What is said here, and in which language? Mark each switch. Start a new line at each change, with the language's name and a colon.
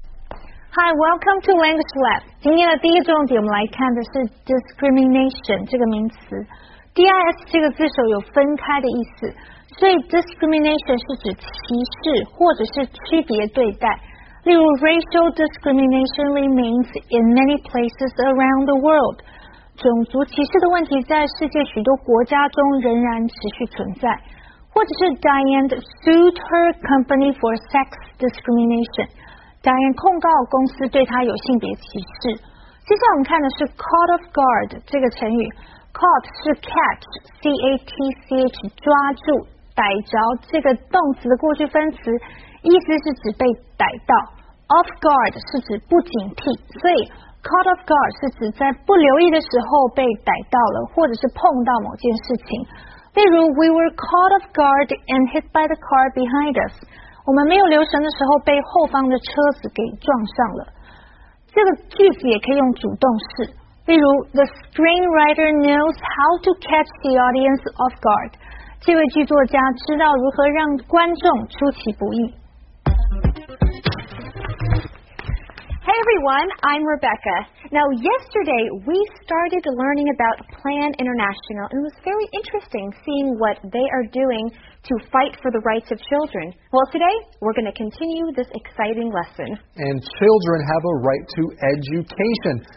English: Hi, welcome to Language Lab.
Chinese: 今天的第一重点我们来看的是 discrimination 这个名词。 DIS 这个字首有分开的意思，所以 discrimination 是指歧视或者是区别对待。
English: 例如 racial discrimination remains in many places around the world.
Chinese: 种族歧视的问题在世界许多国家中仍然持续存在。
English: 或者是 Diane sued her company for sex discrimination.
Chinese: Diane 控告公司对他有性别歧视。接下来我们看的是 caught off guard 这个成语。 caught 是 catch, C-A-T-C-H, 抓住、逮着这个动词的过去分词，意思是指被逮到。 off guard 是指不警惕，所以 caught off guard 是指在不留意的时候被逮到了，或者是碰到某件事情。
English: 例如 ,we were caught off guard and hit by the car behind us.
Chinese: 我们没有留神的时候被后方的车子给撞上了。这个句子也可以用主动式，例如
English: The screenwriter knows how to catch the audience off guard.
Chinese: 这位剧作家知道如何让观众出其不意。
English: Hey everyone, I'm Rebecca. Now yesterday we started learning about Plan International and it was very interesting seeing what they are doing to fight for the rights of children. Well today we're going to continue this exciting lesson. And children have a right to education.